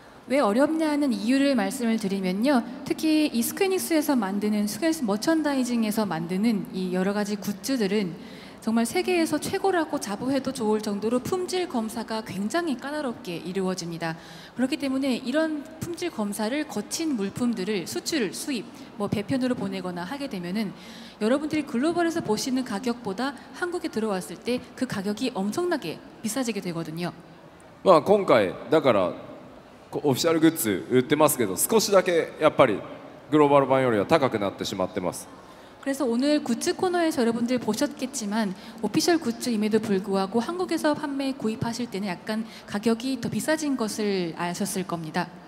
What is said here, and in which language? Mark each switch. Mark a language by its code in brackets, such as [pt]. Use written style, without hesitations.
[ko] 왜 어렵냐는 이유를 말씀을 드리면요. 특히 이 스퀘닉스에서 만드는 스퀘닉스 머천다이징에서 만드는 이 여러 가지 굿즈들은 정말 세계에서 최고라고 자부해도 좋을 정도로 품질 검사가 굉장히 까다롭게 이루어집니다. 그렇기 때문에 이런 품질 검사를 거친 물품들을 수출, 수입, 뭐 배편으로 보내거나 하게 되면은 여러분들이 글로벌에서 보시는 가격보다 한국에 들어왔을 때 그 가격이 엄청나게 비싸지게 되거든요. [ja] 와, 今回 だから [ko] 오피셜 굿즈 [ja] 売ってますけど少しだけやっぱりグローバル版よりは高くなってしまってます [ko] 그래서 오늘 굿즈 코너에서 여러분들 보셨겠지만 오피셜 굿즈임에도 불구하고 한국에서 판매 구입하실 때는 약간 가격이 더 비싸진 것을 아셨을 겁니다.